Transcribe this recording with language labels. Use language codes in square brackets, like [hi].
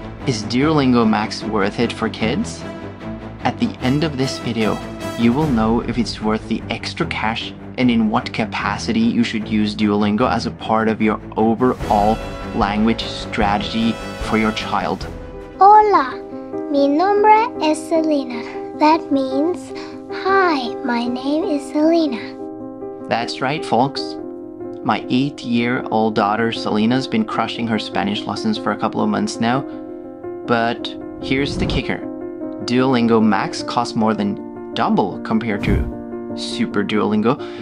[en] Is Duolingo Max worth it for kids? At the end of this video, you will know if it's worth the extra cash and in what capacity you should use Duolingo as a part of your overall language strategy for your child. [es] Hola, mi nombre es Selyna. [en] That means, hi, my name is Selyna. That's right, folks. My 8-year-old daughter Selyna's been crushing her Spanish lessons for a couple of months now. But here's the kicker. Duolingo Max costs more than double compared to Super Duolingo.